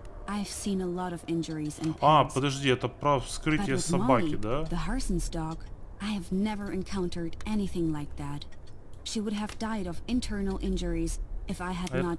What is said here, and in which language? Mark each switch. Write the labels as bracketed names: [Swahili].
[English] I've seen a lot of injuries and pains. [Russian] А, подожди, это про вскрытие собаки, да? [English] The Harson's dog, I have never encountered anything like that. She would have died of internal injuries if I had not